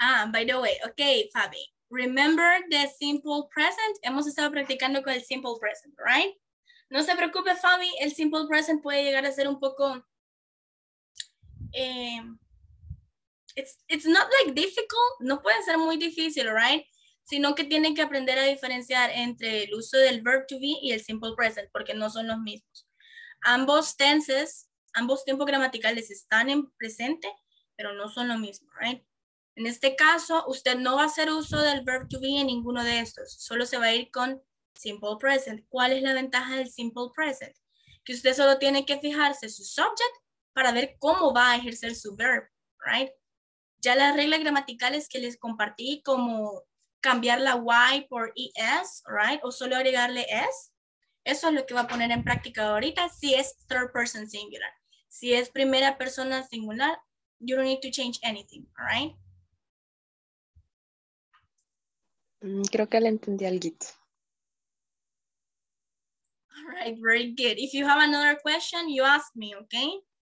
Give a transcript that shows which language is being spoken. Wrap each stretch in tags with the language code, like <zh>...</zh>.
<en>By the way, okay, Fabi, remember the simple present?</en> <es>Hemos estado practicando con el simple present,</es> <en>right?</en> <es>No se preocupe, Fabi, el simple present puede llegar a ser un poco...</es> <en>it's not like difficult,</en> <es>no puede ser muy difícil,</es> <en>right?</en> <es>Sino que tienen que aprender a diferenciar entre el uso del verb to be y el simple present, porque no son los mismos. Ambos tenses, ambos tiempos gramaticales están en presente, pero no son lo mismo,</es> <en>right?</en> <es>En este caso, usted no va a hacer uso del verb to be en ninguno de estos, solo se va a ir con simple present. ¿Cuál es la ventaja del simple present? Que usted solo tiene que fijarse su subject para ver cómo va a ejercer su verb,</es> <en>right?</en> <es>Ya las reglas gramaticales que les compartí, como cambiar la Y por ES,</es> <en>right?</en> <es>O solo agregarle S, eso es lo que va a poner en práctica ahorita si es third person singular. Si es primera persona singular,</es> <en>you don't need to change anything, right?</en> <es>Creo que le entendí alguito.</es> <en>All right, very good. If you have another question, you ask me, okay?</en>